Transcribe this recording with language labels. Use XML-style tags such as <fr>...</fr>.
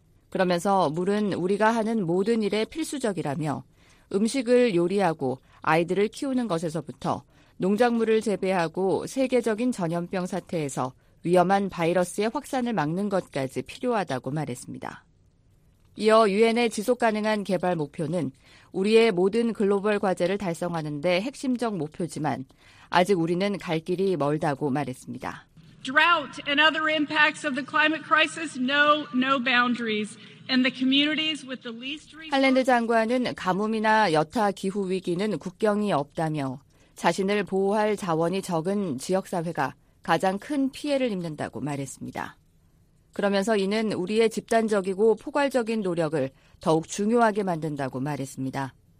<ko>그러면서 물은 우리가 하는 모든 일에 필수적이라며 음식을 요리하고 아이들을 키우는 것에서부터 농작물을 재배하고 세계적인 전염병 사태에서 위험한 바이러스의 확산을 막는 것까지 필요하다고 말했습니다. 이어 유엔의 지속가능한 개발 목표는 우리의 모든 글로벌 과제를 달성하는 데 핵심적 목표지만 아직 우리는 갈 길이 멀다고 말했습니다.</ko> <en>Drought and other impacts of the climate crisis know no boundaries, and the communities with the least resources.</en> <ko>할랜드 장관은 가뭄이나 여타 기후 위기는 국경이 없다며 자신을 보호할 자원이 적은 지역 사회가 가장 큰 피해를 입는다고 말했습니다. 그러면서 이는 우리의 집단적이고 포괄적인 노력을 더욱 중요하게 만든다고 말했습니다.</ko>